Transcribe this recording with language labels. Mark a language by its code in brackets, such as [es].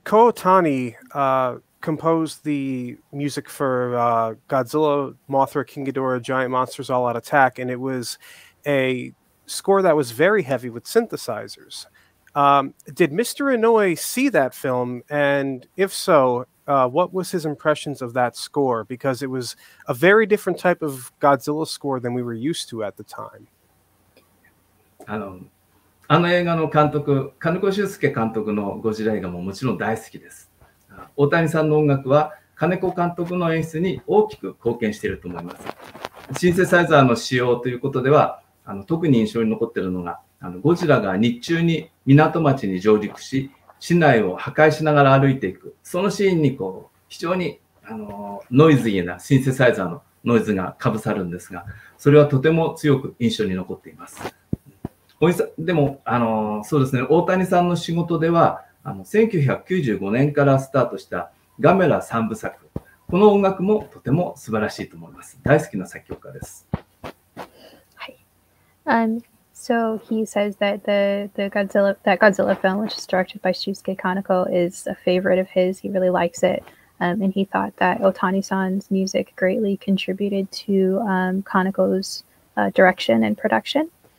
[en] Kohotani composed the music for Godzilla, Mothra, King Ghidorah, Giant Monsters, All Out Attack, and it was a score that was very heavy with synthesizers. Did Mr. Inoue see that film? And if so, what was his impressions of that score? Because it was a very different type of Godzilla score than we were used to at the time. [ja] あの映画の監督、金子修介監督のゴジラ映画ももちろん大好きです。大谷さんの音楽は金子監督の演出に大きく貢献していると思います。シンセサイザーの使用ということでは、特に印象に残っているのが、ゴジラが日中に港町に上陸し、市内を破壊しながら歩いていく。そのシーンにこう非常にノイズイーなシンセサイザーのノイズが被さるんですが、それはとても強く印象に残っています。でも、そうですね、大谷さんの仕事では、1995年からスタートしたガメラ三部作、この音楽もとても素晴らしいと思います。大好きな作曲家です。はい。 [en] So he says that the Godzilla film, which is directed by Shusuke Kaneko, is a favorite of his. He really likes it. And he thought that Otani-san's music greatly contributed to Kaneko's direction and production.